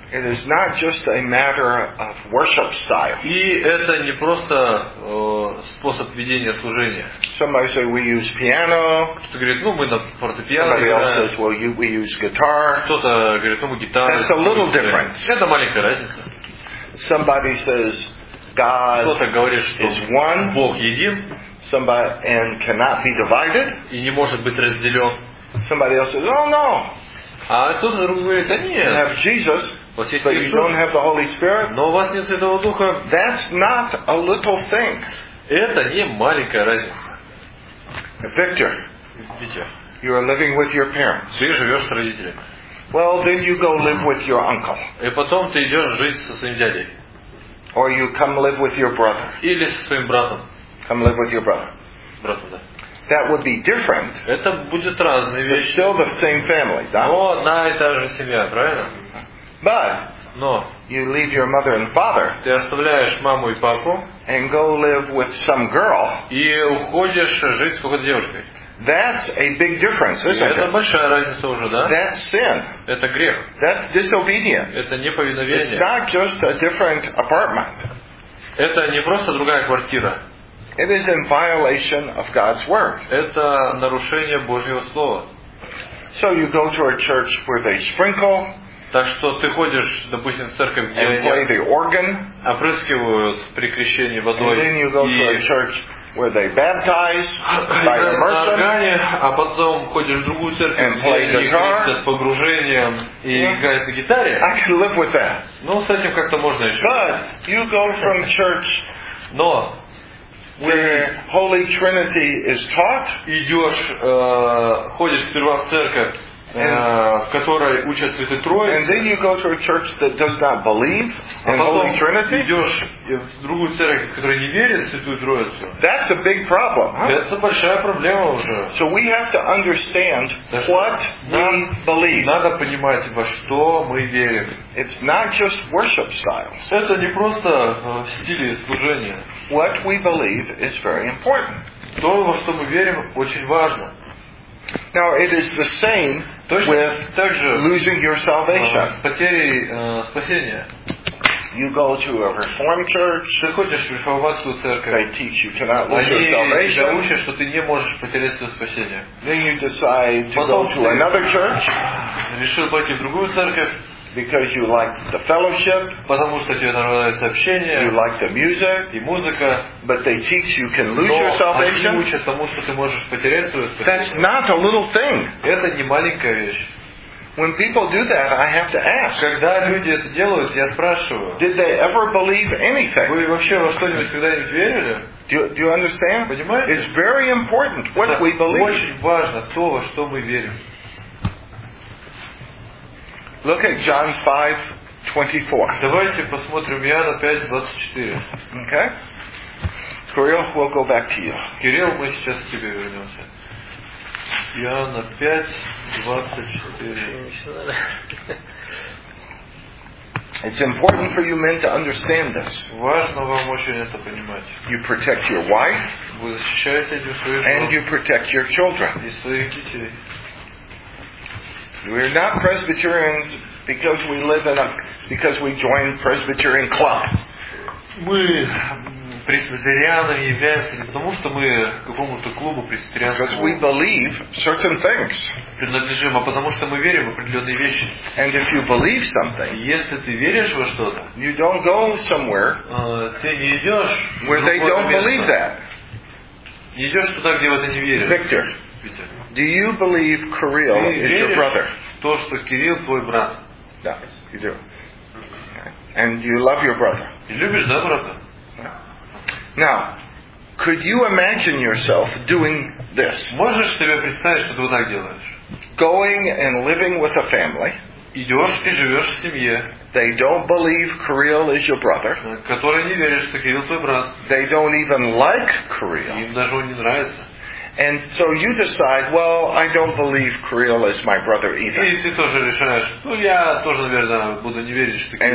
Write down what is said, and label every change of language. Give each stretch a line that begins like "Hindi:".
English: It is not just a matter of worship style.
Russian: И это не просто способ ведения служения.
English: Somebody says we use piano.
Russian: Кто-то говорит, ну мы на фортепиано.
English: Somebody else says, well, we use guitar.
Russian: Кто-то говорит, ну мы гитару.
English: That's a little difference.
Russian: Это маленькая разница.
English: Somebody says God
Russian: кто-то говорит, что
English: is one.
Russian: Бог един.
English: Somebody and cannot be divided.
Russian: И не может быть разделен.
English: Somebody else says, oh no.
Russian: А тут другой говорит, да нет.
English: You have Jesus,
Russian: вот
English: but you don't have the Holy Spirit.
Russian: Но у вас нет Святого Духа.
English: That's not a little thing.
Russian: Это не маленькая разница.
English: Victor, you are living with your parents.
Russian: Ты живешь с родителями.
English: Well, then you go live with your uncle.
Russian: И потом ты идешь жить со своим дядей.
English: Or you come live with your brother.
Russian: Или со своим братом.
English: Come live with your brother.
Russian: Брата, да.
English: That would be different.
Russian: Это будет разные вещи.
English: Still the same family,
Russian: да? Но одна и та же семья, правильно?
English: But
Russian: но
English: you leave your mother and father.
Russian: Ты оставляешь маму и папу.
English: And go live with some girl.
Russian: И уходишь жить с какой-то девушкой.
English: That's a big difference, isn't
Russian: это
English: it?
Russian: Это большая разница уже, да?
English: That's sin.
Russian: Это грех.
English: That's disobedience.
Russian: Это неповиновение.
English: It's not just a different apartment.
Russian: Это не просто другая квартира.
English: It is in violation of God's word.
Russian: Это нарушение Божьего слова.
English: So you go to a church where they sprinkle.
Russian: Так что ты ходишь, допустим, в церковь, где
English: and play the organ.
Russian: Опрыскивают при крещении водой.
English: And then you go to a church where they baptize by immersion.
Russian: На органе, а потом ходишь в другую церковь,
English: and play
Russian: где крестят погружением и играют на гитаре.
English: I can live with that.
Russian: Ну, с этим как-то можно еще.
English: But you go from church.
Russian: Но
English: where Holy Trinity is taught,
Russian: идешь, ходишь сперва в церковь, в которой учат Святой Троице,
English: and then you go to a church that does not believe in Holy Trinity,
Russian: идешь в другую церковь, которая не верит в Святую Троицу.
English: That's a big problem.
Russian: Это большая проблема уже.
English: So we have to understand what we believe.
Russian: Надо понимать, во что мы верим.
English: It's not just worship styles.
Russian: Это не просто стили служения.
English: What we believe is very important.
Russian: То, во что мы верим, очень важно.
English: Now it is the same with losing your salvation.
Russian: С потерей спасения.
English: You go to a Reformed church.
Russian: Ты ходишь в реформатскую церковь.
English: They teach you cannot lose your salvation.
Russian: Они учат, что ты не можешь потерять свое спасение.
English: Then you decide to go to another church.
Russian: Решил пойти в другую церковь.
English: Because you like the fellowship,
Russian: потому что тебе нравится общение,
English: you like the music,
Russian: и музыка,
English: but they teach you can lose your salvation.
Russian: Они учат тому, что ты можешь потерять свою спасение.
English: That's not a little thing.
Russian: Это не маленькая вещь.
English: When people do that, I have to ask.
Russian: Когда люди это делают, я спрашиваю.
English: Did they ever believe anything?
Russian: Вы вообще во что-нибудь когда-нибудь верили?
English: Do you understand?
Russian: Понимаете?
English: It's very important what we believe.
Russian: Очень важно то, во что мы верим.
English: Look at John 5:24.
Russian: Давайте посмотрим Иоанна 5:24.
English: Okay. Кирилл, we'll go back to you.
Russian: Кирилл, мы сейчас к тебе вернемся. Иоанна 5:24.
English: It's important for you men to understand this.
Russian: Важно вам очень это понимать.
English: You protect your wife.
Russian: Вы защищаете свою жену.
English: And you protect your children.
Russian: И своих детей.
English: We're not Presbyterians because we live in a because we join Presbyterian club.
Russian: Мы пресвитерианами являемся не потому, что мы какому-то клубу пресвитерианскому.
English: Because we believe certain things.
Russian: Принадлежим, а потому что мы верим в определенные вещи.
English: And if you believe something,
Russian: если ты веришь во что-то,
English: you don't go somewhere
Russian: ты не идешь
English: where they don't believe that.
Russian: Не идешь туда, где в это не веришь.
English: Victor. Do you believe Kirill is your brother?
Russian: То, что Кирилл твой брат.
English: Yeah, you do. And you love your brother.
Russian: И любишь, да, брата?
English: Now, could you imagine yourself doing this?
Russian: Можешь себе представить, что ты вот так делаешь?
English: Going and living with a family.
Russian: Идешь и живешь в семье.
English: They don't believe Kirill is your brother.
Russian: Которые не верят, что Кирилл твой брат.
English: They don't even like Kirill.
Russian: Им даже он не нравится.
English: And so you decide, well, I don't believe Kirill is my brother either.
Russian: И ты тоже решаешь, ну я тоже, наверное, буду не верить, что Кирилл.